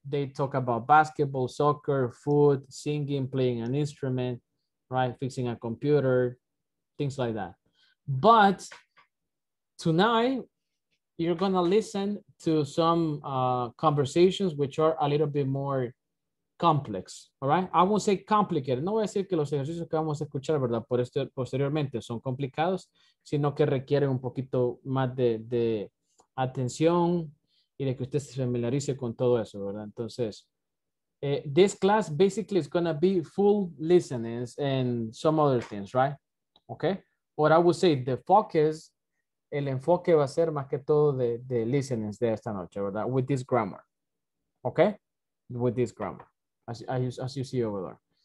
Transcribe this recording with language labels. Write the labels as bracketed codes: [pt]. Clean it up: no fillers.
[en] They talk about basketball, soccer, food, singing, playing an instrument, right? Fixing a computer, things like that. But tonight, you're going to listen to some conversations which are a little bit more complex, all right? I won't say complicated. [es] No voy a decir que los ejercicios que vamos a escuchar, ¿verdad? Por este, posteriormente son complicados, sino que requieren un poquito más de atención y de que usted se familiarice con todo eso, ¿verdad? [en] Entonces, this class basically is going to be full listening and some other things, right? Okay? What I would say, the focus, [es] el enfoque va a ser más que todo de listening de esta noche, ¿verdad? [en] With this grammar, okay? With this grammar, as you see over there.